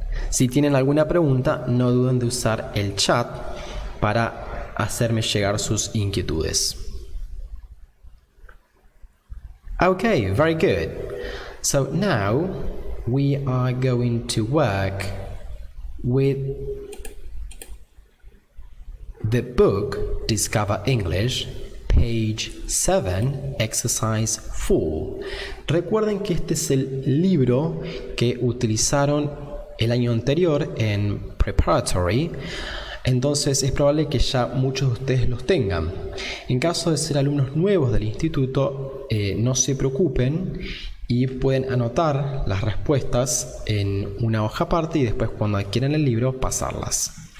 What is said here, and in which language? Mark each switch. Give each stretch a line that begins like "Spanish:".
Spanish: Si tienen alguna pregunta, no duden de usar el chat para hacerme llegar sus inquietudes.
English: Okay, very good. So, now we are going to work with the book Discover English, page 7, exercise 4.
Spanish: Recuerden que este es el libro que utilizaron el año anterior en preparatory, entonces es probable que ya muchos de ustedes los tengan. En caso de ser alumnos nuevos del instituto, no se preocupen y pueden anotar las respuestas en una hoja aparte y después cuando adquieran el libro pasarlas.